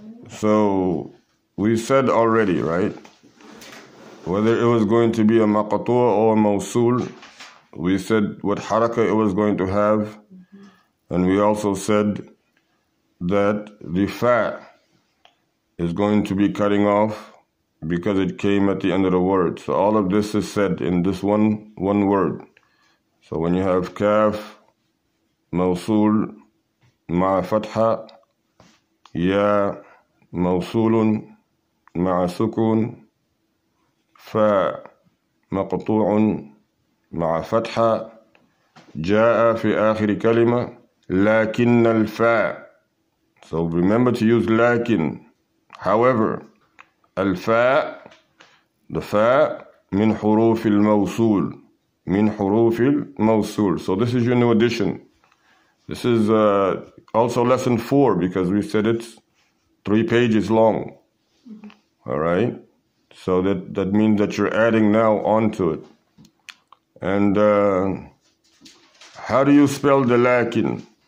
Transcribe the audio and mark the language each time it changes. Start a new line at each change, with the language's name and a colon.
English: So, we said already, right? Whether it was going to be a maqatua or a mawsul, we said what haraka it was going to have, and we also said that the fa is going to be cutting off because it came at the end of the word. So all of this is said in this one word. So when you have
Arabic: kaf, mawsul, ma'a fatha, ya, موصول مع سكون ف مقطوع مع فتحة جاء في آخر كلمة لكن الفاء.
English: So remember to use لكن. However,
Arabic: الفاء, the فاء من حروف الموصول, من حروف الموصول.
English: So this is your new addition. This is also lesson 4, because we said it's 3 pages long. Mm-hmm. All right, so that means that you're adding now onto it. And how do you spell the lakin?